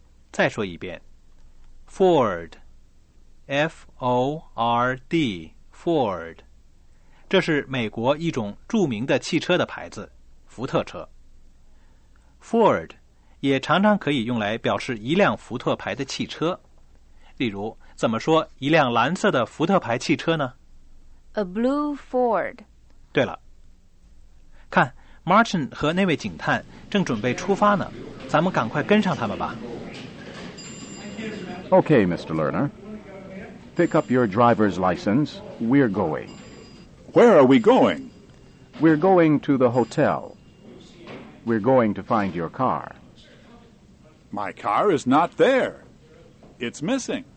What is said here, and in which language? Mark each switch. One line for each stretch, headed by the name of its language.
Chinese: 再说一遍 ，Ford, F-O-R-D, Ford. 这是美国一种著名的汽车的牌子，福特车。 Ford 也常常可以用来表示一辆福特牌的汽车。例如，怎么说一辆蓝色的福特牌汽车呢
English: ？A blue Ford.
Chinese: 对了。看 ，Martin 和那位警探正准备出发呢，咱们赶快跟上他们吧。
English: Okay, Mr. Lerner, pick up your driver's license. We're going. Where are we going? We're going to the hotel. We're going to find your car. My car is not there. It's missing.